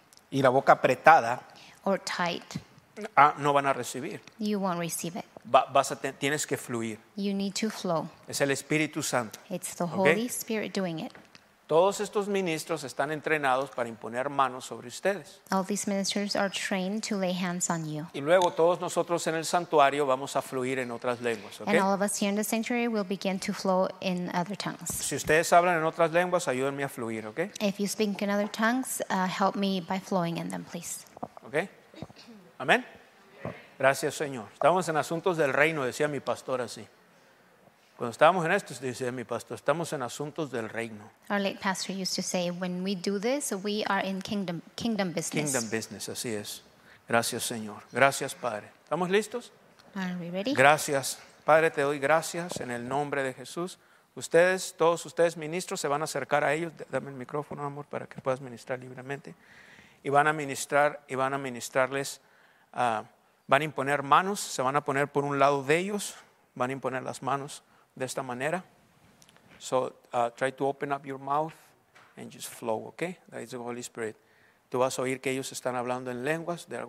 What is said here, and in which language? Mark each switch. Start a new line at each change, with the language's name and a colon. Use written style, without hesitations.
Spanish: y la boca apretada,
English: or tight,
Spanish: no van a recibir.
English: You won't receive it.
Spanish: Tienes que fluir.
English: You need to flow.
Spanish: Es el Espíritu Santo.
English: It's the Holy Spirit doing it.
Spanish: Todos estos ministros están entrenados para imponer manos sobre ustedes.
English: All these ministers are trained to lay hands on you.
Spanish: Y luego todos nosotros en el santuario vamos a fluir en otras lenguas, ¿okay?
English: And all of us here in the sanctuary will begin to flow in other tongues.
Spanish: Si ustedes hablan en otras lenguas, ayúdenme a fluir, ¿okay?
English: If you speak in other tongues, help me by flowing in them, please.
Spanish: ¿Okay? Amén. Gracias, Señor. Estamos en asuntos del reino, decía mi pastor así. Cuando estábamos en esto, decía mi pastor, estamos en asuntos del reino.
English: Our late pastor used to say, when we do this, we are in kingdom business.
Spanish: Kingdom business, así es. Gracias, Señor. Gracias, Padre. ¿Estamos listos?
English: Are we ready?
Spanish: Gracias. Padre, te doy gracias en el nombre de Jesús. Ustedes, todos ustedes, ministros, se van a acercar a ellos. Dame el micrófono, amor, para que puedas ministrar libremente. Y van a ministrar, y van a ministrarles, van a imponer manos, se van a poner por un lado de ellos, van a imponer las manos de esta manera.
English: So try to open up your mouth and just flow, okay? That is the Holy Spirit.
Spanish: Tú vas a oír que ellos están hablando en lenguas.